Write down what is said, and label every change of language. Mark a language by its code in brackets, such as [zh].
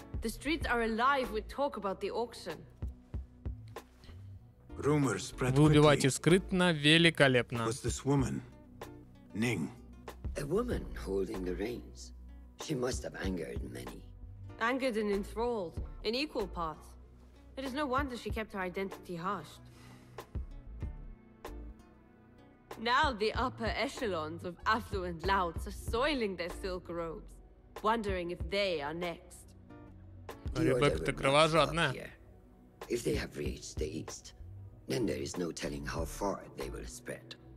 [en] The streets are alive with talk about the auction. Rumors spread quickly. [ru] Вы убиваете скрытно, великолепно. [en] Was this woman, Ning? A woman holding the reins. She must have angered many. Angered and enthralled, in equal parts. It is no wonder she kept her identity hushed. Now the upper echelons of affluent louts are soiling their silk robes. Wondering if they are next. [ru] Ребекка, ты кровожадная. [en] If they have reached the east, then there is no telling how far they will spread.